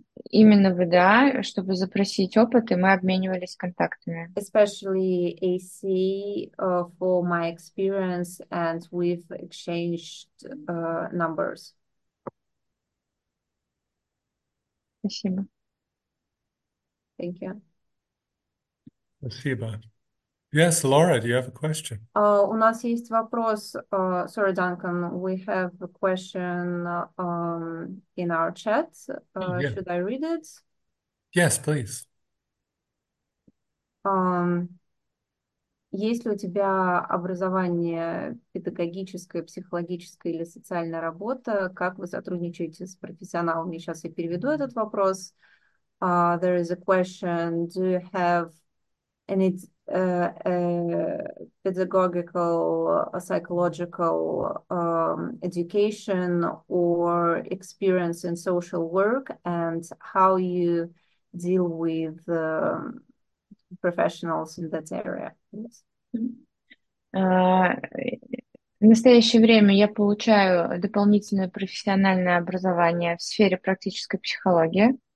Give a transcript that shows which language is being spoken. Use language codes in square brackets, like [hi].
[ru] Именно ВДА, чтобы запросить опыт, и мы обменивались контактами. [en] Especially AC for my experience, and we've exchanged numbers. [ru] Спасибо. [en] Thank you. [ru] Спасибо. [en] Yes, Laura, do you have a question? [ru] У нас есть вопрос, [en] sorry, Duncan, we have a question in our chat. Yeah. Should I read it? Yes, please. [ru] Есть ли у тебя образование педагогическое, психологическое или социальная работа? Как вы сотрудничаете с профессионалами? Сейчас я переведу этот вопрос. [en] There is a question. Do you have any pedagogical, psychological education or experience in social work, and how you deal with professionals in that area? Yes. [ru] В настоящее время я получаю дополнительное профессиональное образование в сфере практической психологии.